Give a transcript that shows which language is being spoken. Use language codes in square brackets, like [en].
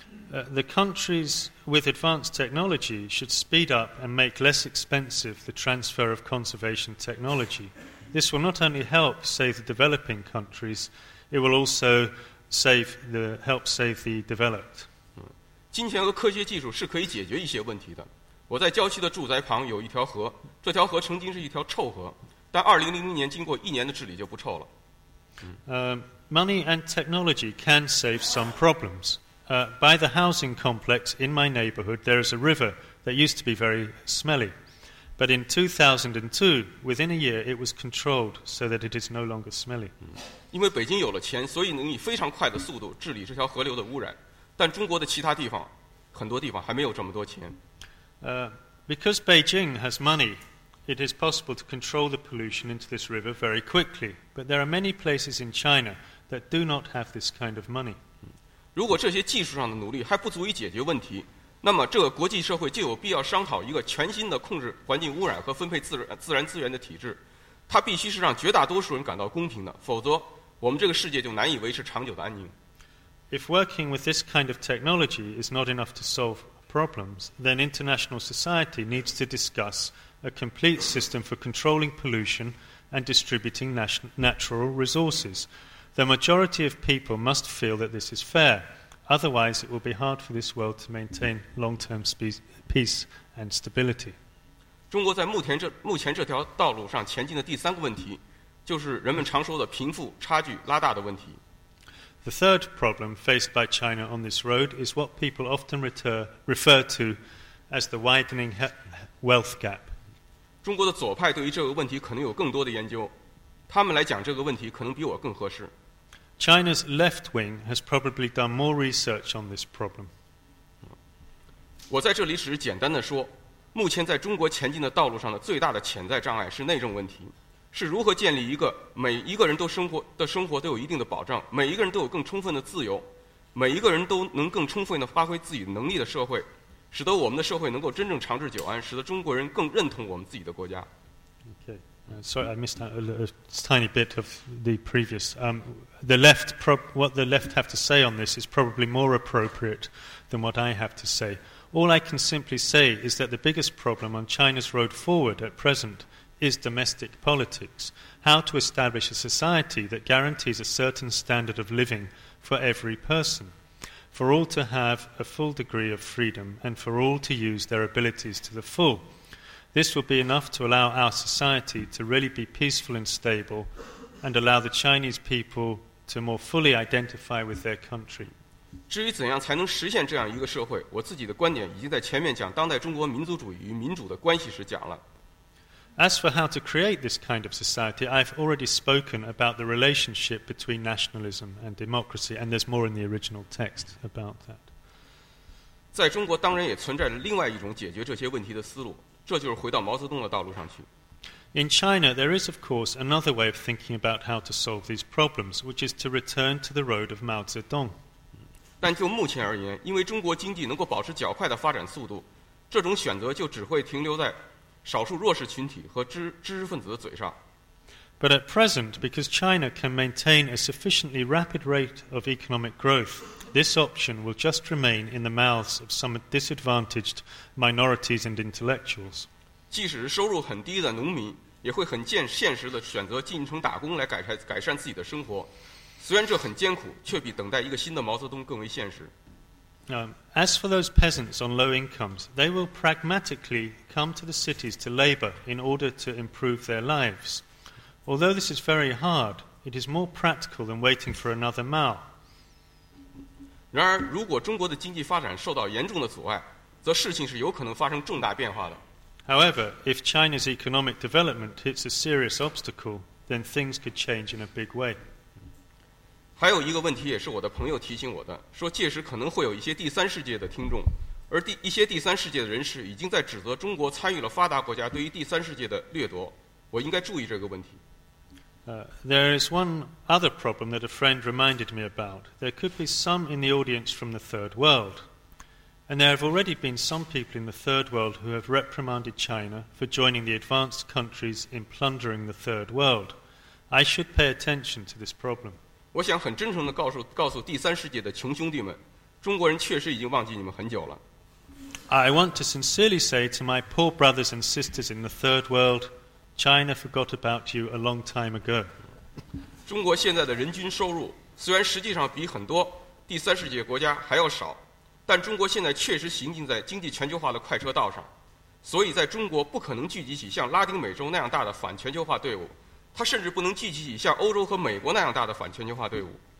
[en] The countries with advanced technology should speed up and make less expensive the transfer of conservation technology. This will not only help save the developing countries, it will also help save the developed. [zh] 金钱和科学技术是可以解决一些问题的。我在郊区的住宅旁有一条河，这条河曾经是一条臭河，但2000年经过一年的治理就不臭了。 [en] Money and technology can save some problems. By the housing complex in my neighborhood, there is a river that used to be very smelly. But in 2002, within a year, it was controlled so that it is no longer smelly. [zh] 因为北京有了钱，所以能以非常快的速度治理这条河流的污染。但中国的其他地方，很多地方还没有这么多钱。 [en] Because Beijing has money, it is possible to control the pollution into this river very quickly. But there are many places in China that do not have this kind of money. [zh] 如果这些技术上的努力还不足以解决问题，那么这个国际社会就有必要商讨一个全新的控制环境污染和分配自然资源的体制。它必须是让绝大多数人感到公平的，否则我们这个世界就难以维持长久的安宁。 [en] If working with this kind of technology is not enough to solve problems, then international society needs to discuss a complete system for controlling pollution and distributing natural resources. The majority of people must feel that this is fair. Otherwise, it will be hard for this world to maintain long-term peace and stability. [zh] 中国在目前这条道路上前进的第三个问题，就是人们常说的贫富差距拉大的问题。 [en] The third problem faced by China on this road is what people often refer to as the widening wealth gap. [zh] 中国的左派对于这个问题可能有更多的研究。他们来讲这个问题可能比我更合适。 [en] China's left wing has probably done more research on this problem. [zh] 我在这里只是简单的说，目前在中国前进的道路上的最大的潜在障碍是内政问题，是如何建立一个每一个人都生活都有一定的保障，每一个人都有更充分的自由，每一个人都能更充分的发挥自己能力的社会，使得我们的社会能够真正长治久安，使得中国人更认同我们自己的国家。 [en] Sorry, I missed a tiny bit of the previous. What the left have to say on this is probably more appropriate than what I have to say. All I can simply say is that the biggest problem on China's road forward at present is domestic politics. How to establish a society that guarantees a certain standard of living for every person, for all to have a full degree of freedom, and for all to use their abilities to the full. This will be enough to allow our society to really be peaceful and stable and allow the Chinese people to more fully identify with their country. [zh] 至于怎样才能实现这样一个社会，我自己的观点已经在前面讲当代中国民族主义与民主的关系时讲了。 [en] As for how to create this kind of society, I've already spoken about the relationship between nationalism and democracy, and there's more in the original text about that. [zh] 在中国当然也存在着另外一种解决这些问题的思路。这就是回到毛泽东的道路上去。 [en] In China, there is, of course, another way of thinking about how to solve these problems, which is to return to the road of Mao Zedong. [zh] 但就目前而言，因为中国经济能够保持较快的发展速度，这种选择就只会停留在少数弱势群体和知识分子的嘴上。 [en] But at present, because China can maintain a sufficiently rapid rate of economic growth, this option will just remain in the mouths of some disadvantaged minorities and intellectuals. [zh] 即使收入很低的农民也会很现实地选择进城打工来改善自己的生活。虽然这很艰苦，却比等待一个新的毛泽东更为现实。 [en] As for those peasants on low incomes, they will pragmatically come to the cities to labor in order to improve their lives. Although this is very hard, it is more practical than waiting for another Mao. [zh] 然而如果中国的经济发展受到严重的阻碍，则事情是有可能发生重大变化的。 [en] However, if China's economic development hits a serious obstacle, then things could change in a big way. [zh] 还有一个问题也是我的朋友提醒我的，说届时可能会有一些第三世界的听众，而一些第三世界的人士已经在指责中国参与了发达国家对于第三世界的掠夺，我应该注意这个问题。 [en] There is one other problem that a friend reminded me about. There could be some in the audience from the third world. And there have already been some people in the third world who have reprimanded China for joining the advanced countries in plundering the third world. I should pay attention to this problem. [zh] 我想很真诚地告诉第三世界的穷兄弟们，中国人确实已经忘记你们很久了。 [en] I want to sincerely say to my poor brothers and sisters in the third world, China forgot about you a long time ago. [zh] 中国现在的人均收入虽然实际上比很多第三世界国家还要少，但中国现在确实行进在经济全球化的快车道上，所以在中国不可能聚集起像拉丁美洲那样大的反全球化队伍，它甚至不能聚集起像欧洲和美国那样大的反全球化队伍。